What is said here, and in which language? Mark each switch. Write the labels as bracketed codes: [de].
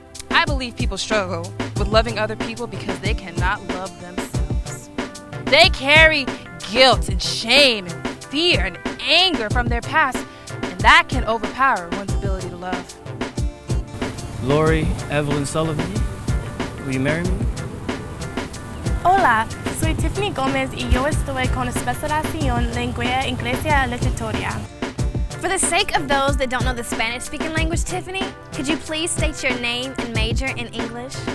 [en] I believe people struggle with loving other people because they cannot love themselves. They carry guilt and shame and fear and anger from their past, and that can overpower one's ability to love. Lori Evelyn Sullivan, will you marry me? [es] Hola, soy Tiffany Gomez y yo estoy con especialización lengua inglesa literatura. [en] For the sake of those that don't know the Spanish-speaking language, Tiffany, could you please state your name and major in English?